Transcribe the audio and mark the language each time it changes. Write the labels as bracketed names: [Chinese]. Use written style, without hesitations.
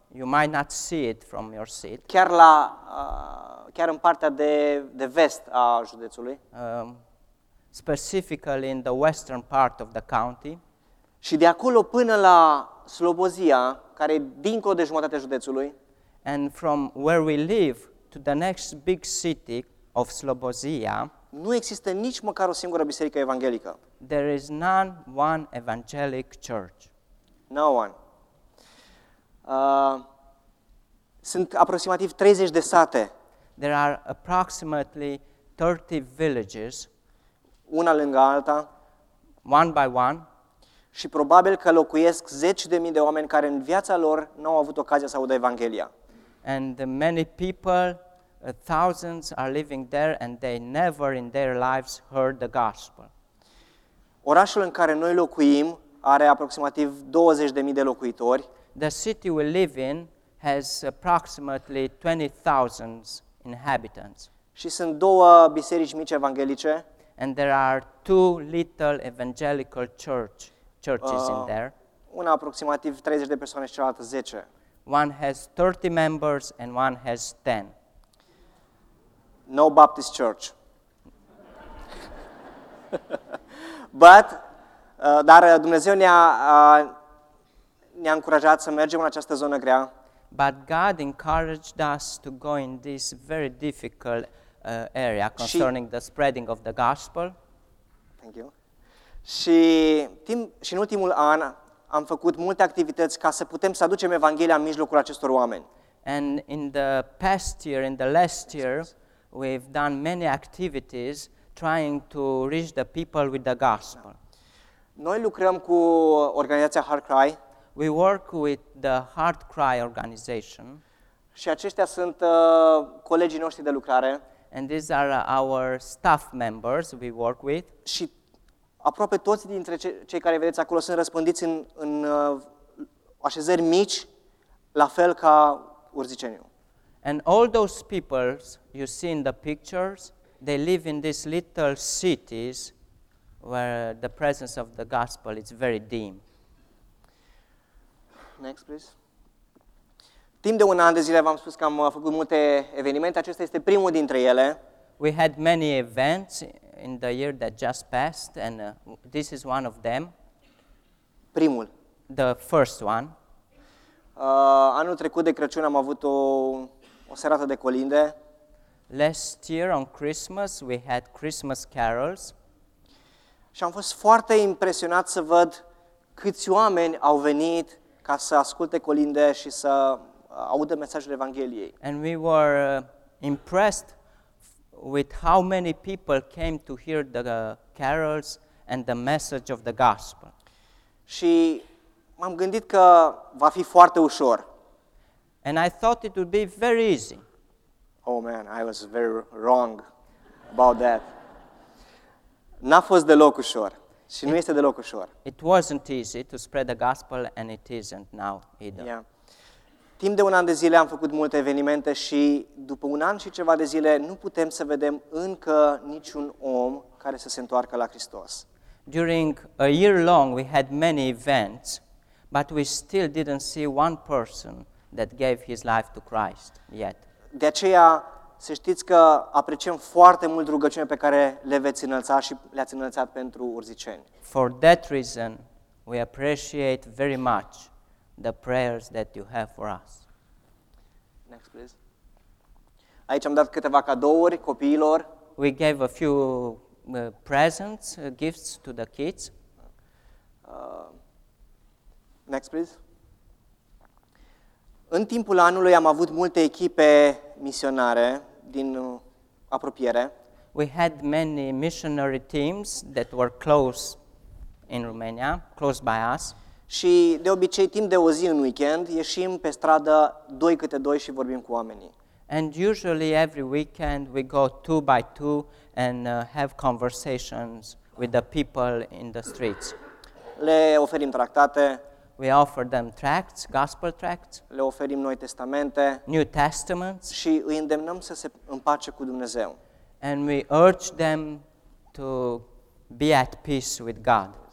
[English] You might not see it from your seat. [Romanian] Chiar la chiar în partea de vest a județului. [English] Specifically in the western part of the county. [Romanian] Și de acolo până la Slobozia, care e dincolo de jumătatea județului. [English] And from where we live to the next big city of Slobozia, [Romanian] nu există nici măcar o singură biserică evanghelică. [English] There is none one evangelic church. No one. [Romanian] Sunt aproximativ 30 de sate. [English] There are approximately 30 villages. [Romanian] Una lângă alta. [English] One by one. [Romanian] Și probabil că locuiesc 10.000 de oameni care în viața lor n-au avut ocazia să audă Evanghelia. [English] And many people, thousands are living there and they never in their lives heard the gospel. [Romanian] Orașul în care noi locuim are aproximativ 20.000 de locuitori. [English] The city we live in has approximately 20,000 inhabitants. [Romanian] Și sunt două biserici mici evanghelice. [English] And there are two little evangelical churches in there. [Romanian] Una aproximativ 30 de persoane și cealaltă 10. [English] One has 30 members and one has 10. No Baptist church. [Romanian] But dar Dumnezeu ne-a încurajat să mergem în această zonă grea. [English] But God encouraged us to go in this very difficult area concerning the spreading of the gospel. Thank you. [Romanian] Și în ultimul an am făcut multe activități ca să putem să aducem Evanghelia în mijlocul acestor oameni. [English] And in the past year, in the last year, we've done many activities trying to reach the people with the gospel. [Romanian] Noi lucrăm cu organizația Heart Cry. [English] We work with the Heart Cry organization. [Romanian] Și aceștia sunt colegii noștri de lucrare. [English] And these are our staff members we work with. [Romanian] Și aproape toți dintre cei care vedeți acolo sunt răspândiți în așezări mici, la fel ca urziceniu. [English] And all those people you see in the pictures, they live in these little cities where the presence of the gospel is very dim. Next, please. [Romanian] Timp de un an de zile v-am spus că am făcut multe evenimente. Acesta este primul dintre ele. [English] We had many events in the year that just passed, and this is one of them. [Romanian] Primul. [English] The first one. [Romanian] Anul trecut de Crăciun am avut o serată de colinde. [English] Last year on Christmas we had Christmas carols. [Romanian] Și am fost foarte impresionat să văd câți oameni au venit ca să asculte colinde și să audă mesajul Evangheliei. [English] And we were impressed with how many people came to hear the carols and the message of the gospel. [Romanian] Și m-am gândit că va fi foarte ușor. [English] And I thought it would be very easy. Oh man, I was very wrong about that. [Romanian] N-a fost deloc ușor. Și nu este deloc ușor. [English] It wasn't easy to spread the gospel and it isn't now either. Yeah. [Romanian] Timp de un an de zile am făcut multe evenimente și după un an și ceva de zile nu putem să vedem încă niciun om care să se întoarcă la Hristos. [English] During a year long we had many events, but we still didn't see one person that gave his life to Christ yet. [Romanian] De aceea să știți că apreciem foarte mult rugăciunile pe care le veți înălța și le-ați înălțat pentru urziceni. [English] For that reason, we appreciate very much the prayers that you have for us. Next, please. [Romanian] Aici am dat câteva cadouri copiilor. [English] We gave a few presents, gifts to the kids. Next, please. [Romanian] În timpul anului am avut multe echipe misionare din apropiere. [English] We had many missionary teams that were close in Romania, close by us. [Romanian] Și de obicei timp de o zi în weekend ieșim pe stradă doi câte doi și vorbim cu oamenii. [English] And usually every weekend we go two by two and have conversations with the people in the streets. [Romanian] Le oferim tractate. [English] We offer them tracts, gospel tracts. [Romanian] Le oferim noi testamente. [English] New testaments. [Romanian] Și îi îndemnăm să se împace cu Dumnezeu. [English] And we urge them to be at peace with God.